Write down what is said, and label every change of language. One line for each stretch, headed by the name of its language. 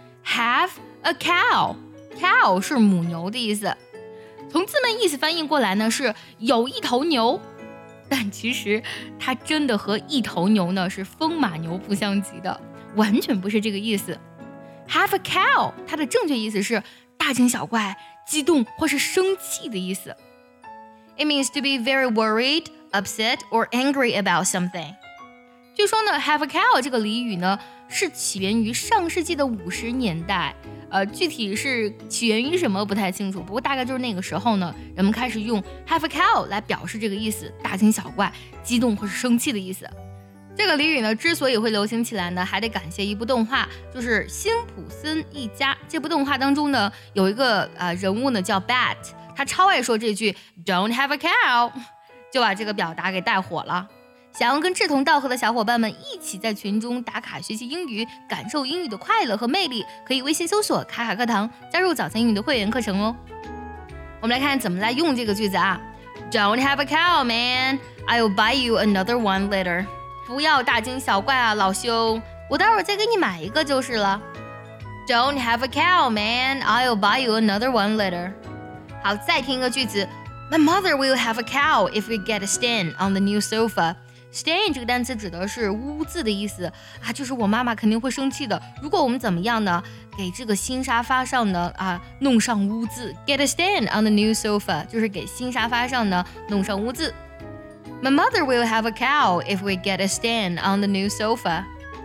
English: Have a cow,
Chinese: cow 是母牛的意思，从字面意思翻译过来呢是有一头牛，但其实它真的和一头牛呢是风马牛不相及的，完全不是这个意思。
English: Have a cow
Chinese: 它的正确意思是大惊小怪、激动或是生气的意思。
English: It means to be very worried, upset or angry about something。
Chinese: 据说呢
English: Have a cow
Chinese: 这个俚语呢是起源于上世纪的50年代，具体是起源于什么不太清楚，不过大概就是那个时候呢，人们开始用 have a cow 来表示这个意思，大惊小怪、激动或是生气的意思。这个俚语呢之所以会流行起来呢，还得感谢一部动画，就是辛普森一家。这部动画当中呢有一个人物呢叫 Bat， 他超爱说这句
English: don't have a cow，
Chinese: 就把这个表达给带火了。想要跟志同道合的小伙伴们一起在群中打卡学习英语，感受英语的快乐和魅力，可以微信搜索卡卡课堂，加入早餐英语的会员课程哦。我们来看怎么来用这个句子啊。
English: Don't have a cow, man. I'll buy you another one later.
Chinese: 不要大惊小怪啊，老兄，我待会儿再给你买一个就是了。
English: Don't have a cow, man. I'll buy you another one later.
Chinese: 好，再听一个句子。
English: My mother will have a cow if we get a stain on the new sofa.
Chinese: Stain 这个单词指的是污渍的意思啊，就是我妈妈肯定会生气的。如果我们怎么样呢？给这个新沙发上呢啊弄上污渍 ，
English: get a stain on the new sofa，
Chinese: 就是给新沙发上呢弄上污渍。
English: My mother will have a cow if we get a stain on the new sofa.